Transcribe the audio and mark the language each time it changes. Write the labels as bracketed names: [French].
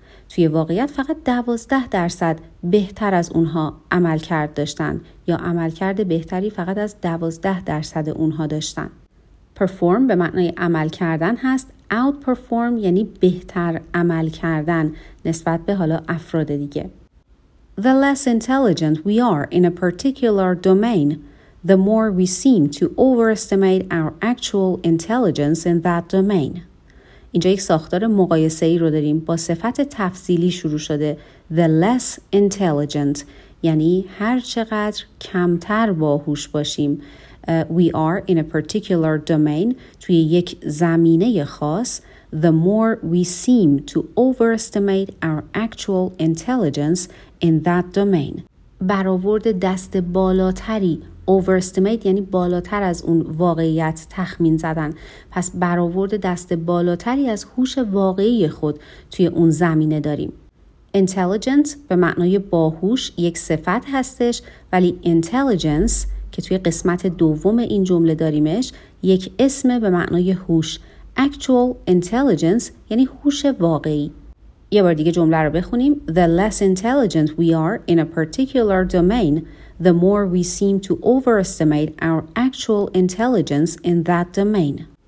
[Persian] توی واقعیت فقط 12% بهتر از اونها عمل کرد داشتن یا عمل کرد بهتری فقط از 12% اونها داشتن. Perform به معنای عمل کردن هست. Outperform یعنی بهتر عمل کردن نسبت به حالا افراد دیگه. [English] The less intelligent we are in a particular domain, the more we seem to overestimate our actual intelligence in that domain. [Persian] اینجا یک ساختار مقایسه‌ای رو داریم با صفت تفصیلی شروع شده. [English] The less intelligent [Persian] یعنی هر چقدر کمتر باهوش باشیم. [English] We are in a particular domain, [Persian] توی یک زمینه خاص, [English] the more we seem to overestimate our actual intelligence in that domain. [Persian] برآورد دست بالاتری, overestimate یعنی بالاتر از اون واقعیت تخمین زدن. پس برآورد دست بالاتری از هوش واقعی خود توی اون زمینه داریم. Intelligent به معنای باهوش یک صفت هستش, ولی intelligence که توی قسمت دوم این جمله داریمش یک اسم به معنای هوش. [English] Actual intelligence [Persian] یعنی هوش واقعی. یه بار دیگه جمله رو بخونیم. [English] The less intelligent we are in a particular domain, the more we seem to overestimate our actual intelligence in that domain.